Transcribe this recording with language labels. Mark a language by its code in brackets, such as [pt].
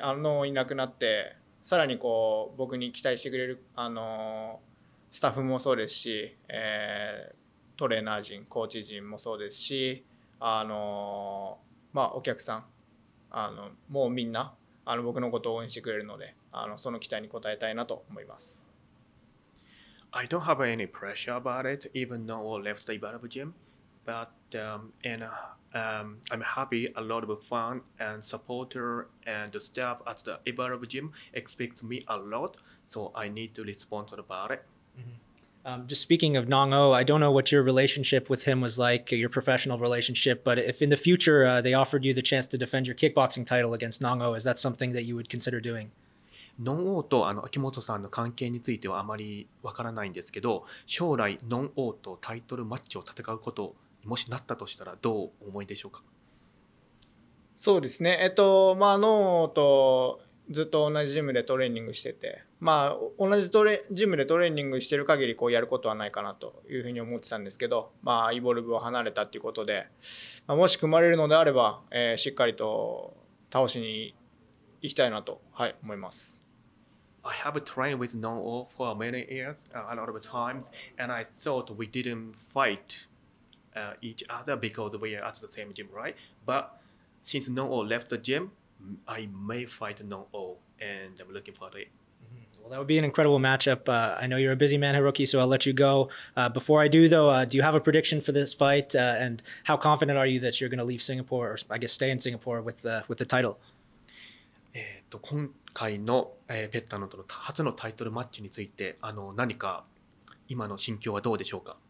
[ja] ノンオーいなくなって、さらにこう僕に期待してくれるスタッフもそうですし、トレーナー陣、コーチ陣もそうですし、まあ、お客さん、もうみんな僕のことを応援してくれるので、その期待に応えたいなと思います。 [en] I don't have any pressure about it, even though I left the Evolve gym, but I'm happy a lot of fun and supporter and the staff at the Evolve gym expect me a lot, so I need to respond about it. Mm-hmm. Just speaking of Nong O, I don't know what your relationship with him was like, your professional relationship, but if in the future they offered you the chance to defend your kickboxing title against Nong O, is that something that you would consider doing? [ja] Nong O と秋元さんの関係についてはあまりわからないんですけど、将来 Nong O とタイトルマッチを戦うこともしなったとしたらどう思いでしょうか？そうですね。まあ Nong O とずっと同じジムでトレーニングしてて、まあ、同じジムでトレーニングしてる限りこうやることはないかなというふうに思ってたんですけど、まあ、イボルブを離れたということで、まあ、もし組まれるのであれば、しっかりと倒しに行きたいなと、はい、思います。 [en] I have trained with Nong O for many years, a lot of times, and I thought we didn't fight each other because we are at the same gym, right? But since Nong O left the gymI may fight Nong O, and I'm looking forward to it. Well, that would be an incredible matchup. I know you're a busy man, Hiroki, so I'll let you go. Before I do, though, do you have a prediction for this fight? And how confident are you that you're going to leave Singapore, or I guess stay in Singapore with the title? [ja] 今回の、ペッタノとの初のタイトルマッチについて、何か今の心境はどうでしょうか？